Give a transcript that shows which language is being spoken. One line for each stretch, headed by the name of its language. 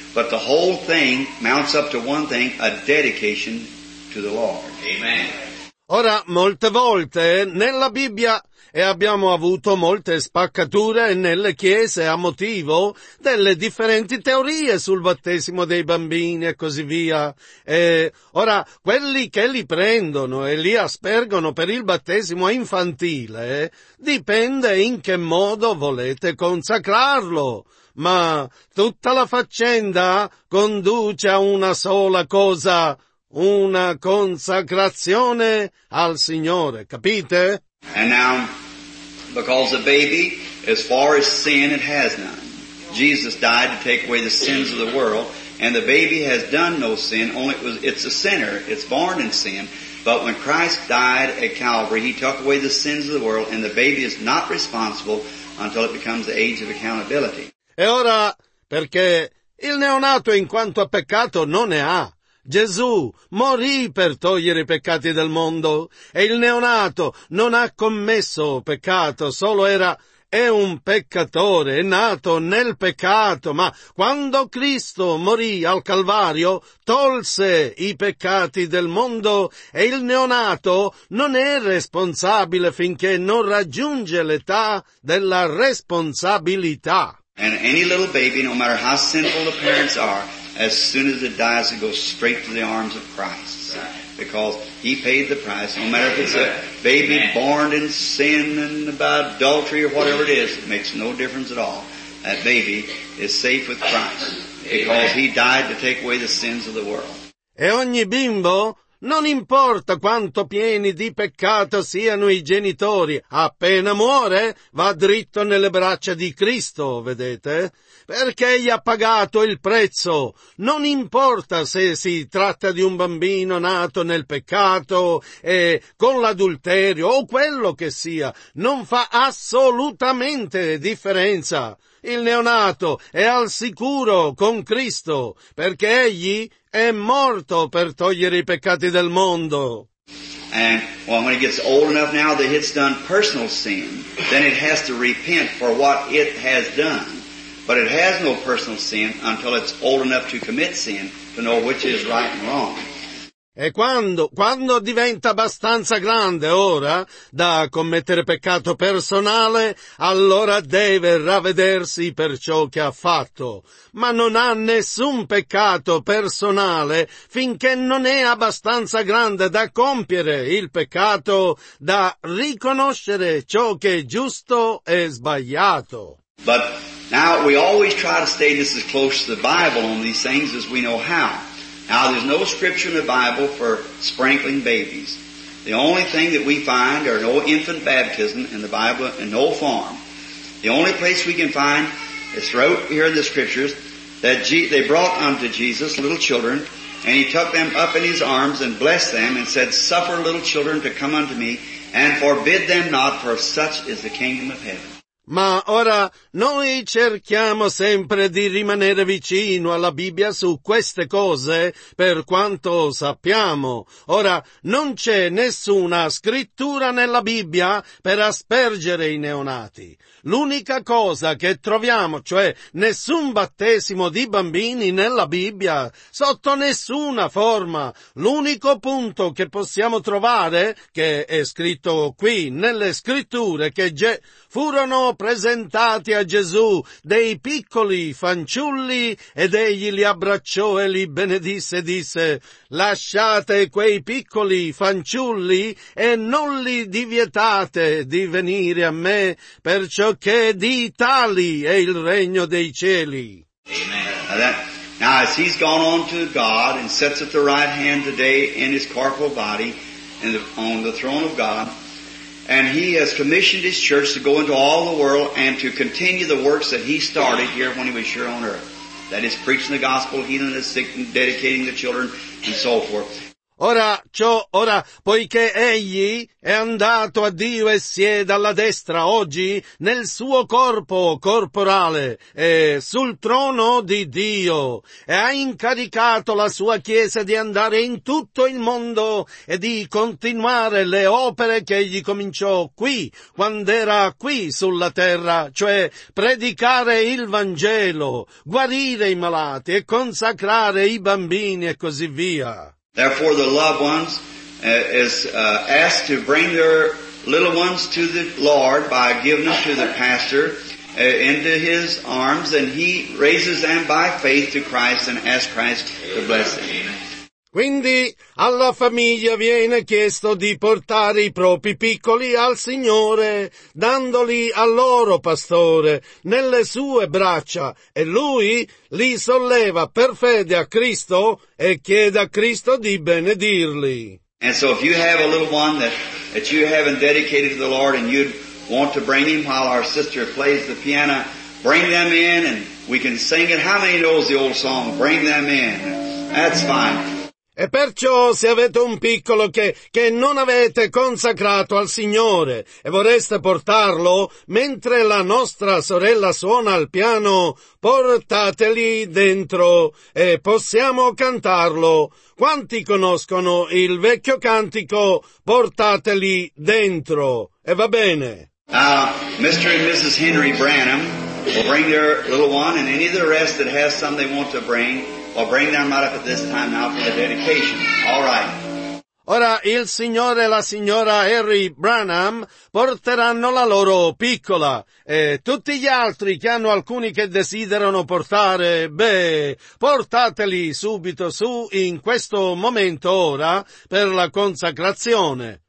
English: But the whole thing mounts up to one thing, a dedication to the Lord. Amen.
Italian: Ora, molte volte nella Bibbia, e abbiamo avuto molte spaccature nelle chiese a motivo delle differenti teorie sul battesimo dei bambini e così via. E ora, quelli che li prendono e li aspergono per il battesimo infantile, dipende in che modo volete consacrarlo. Ma tutta la faccenda conduce a una sola cosa, una consacrazione al Signore, capite?
English: And now, because a baby, as far as sin, it has none. Jesus died to take away the sins of the world, And the baby has done no sin, only it's a sinner. It's born in sin. But when Christ died at Calvary, he took away the sins of the world, and the baby is not responsible until it becomes the age of accountability.
Italian: E ora, perché il neonato in quanto a peccato non ne ha. Gesù morì per togliere i peccati del mondo, e il neonato non ha commesso peccato, solo è un peccatore, è nato nel peccato, ma quando Cristo morì al Calvario, tolse i peccati del mondo, e il neonato non è responsabile finché non raggiunge l'età della responsabilità.
English: And any little baby, no matter how sinful the parents are, as soon as it dies, it goes straight to the arms of Christ. Because he paid the price. No matter if it's a baby born in sin and about adultery or whatever it is, it makes no difference at all. That baby is safe with Christ. Because he died to take away the sins of the world.
Italian: E ogni bimbo, non importa quanto pieni di peccato siano i genitori, appena muore va dritto nelle braccia di Cristo, vedete? Perché egli ha pagato il prezzo. Non importa se si tratta di un bambino nato nel peccato e con l'adulterio o quello che sia, non fa assolutamente differenza. Il neonato è al sicuro con Cristo, perché egli è morto per togliere i peccati del mondo.
English: And well, when it gets old enough now that it's done personal sin, then it has to repent for what it has done. But it has no personal sin until it's old enough to commit sin to know which is right and wrong.
Italian: E quando diventa abbastanza grande ora da commettere peccato personale, allora deve ravvedersi per ciò che ha fatto. Ma non ha nessun peccato personale finché non è abbastanza grande da compiere il peccato, da riconoscere ciò che è giusto e sbagliato.
English: But now we always try to stay just as close to the Bible on these things as we know how. Now, there's no scripture in the Bible for sprinkling babies. The only thing that we find are no infant baptism in the Bible in no form. The only place we can find is throughout here in the scriptures that they brought unto Jesus little children, and he took them up in his arms and blessed them and said, "Suffer little children to come unto me, and forbid them not, for such is the kingdom of heaven."
Italian: Ma ora noi cerchiamo sempre di rimanere vicino alla Bibbia su queste cose per quanto sappiamo. Ora non c'è nessuna scrittura nella Bibbia per aspergere i neonati. L'unica cosa che troviamo, cioè nessun battesimo di bambini nella Bibbia, sotto nessuna forma. L'unico punto che possiamo trovare, che è scritto qui nelle scritture, che furono presentati a Gesù dei piccoli fanciulli ed egli li abbracciò e li benedisse e disse: "Lasciate quei piccoli fanciulli e non li divietate di venire a me, perciò che di tali è il regno dei cieli." Amen.
English: Now as he's gone on to God and sits at the right hand today in his corporal body on the throne of God, and he has commissioned his church to go into all the world and to continue the works that he started here when he was here on earth. That is, preaching the gospel, healing the sick, and dedicating the children, and so forth.
Italian: Ora, poiché egli è andato a Dio e siede alla destra oggi nel suo corpo corporale e sul trono di Dio, e ha incaricato la sua chiesa di andare in tutto il mondo e di continuare le opere che egli cominciò qui, quando era qui sulla terra, cioè predicare il Vangelo, guarire i malati e consacrare i bambini e così via.
English: Therefore the loved ones asked to bring their little ones to the Lord by giving them to the pastor into his arms, and he raises them by faith to Christ and asks Christ to bless them.
Italian: Quindi alla famiglia viene chiesto di portare i propri piccoli al Signore, dandoli al loro pastore nelle sue braccia, e lui li solleva per fede a Cristo e chiede a Cristo di benedirli.
English: And so if you have a little one that you haven't dedicated to the Lord and you'd want to bring him while our sister plays the piano, Bring them in and we can sing it. How many knows the old song? Bring them in. That's fine.
Italian: E perciò se avete un piccolo che non avete consacrato al Signore e vorreste portarlo, mentre la nostra sorella suona al piano, portateli dentro e possiamo cantarlo. Quanti conoscono il vecchio cantico, portateli dentro, e va bene.
English: Mr. and Mrs. Henry Branham will bring their little one and any of the rest that has some they want to bring. Well, bring them right up at this time now for the dedication. All right.
Italian: Ora il signore e la signora Harry Branham porteranno la loro piccola e tutti gli altri che hanno alcuni che desiderano portare, beh, portateli subito su in questo momento ora per la consacrazione.